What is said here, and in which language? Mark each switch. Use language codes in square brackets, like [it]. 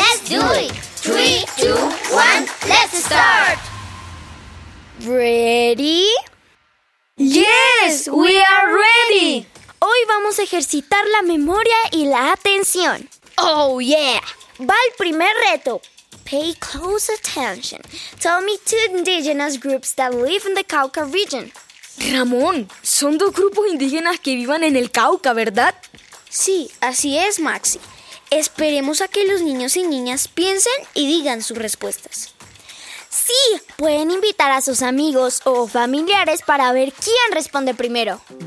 [en] Let's do it. 3, 2, 1, let's start. Ready? Yes, we are ready. [es] Hoy vamos a ejercitar la memoria y la atención. [en] Oh, yeah. [es] Va el primer reto. [en] Pay close attention. Tell me 2 indigenous groups that live in the Cauca region. [es] Ramón, son 2 grupos indígenas que vivan en el Cauca, ¿verdad? Sí, así es, Maxi. Esperemos a que los niños y niñas piensen y digan sus respuestas. ¡Sí! Pueden invitar a sus amigos o familiares para ver quién responde primero.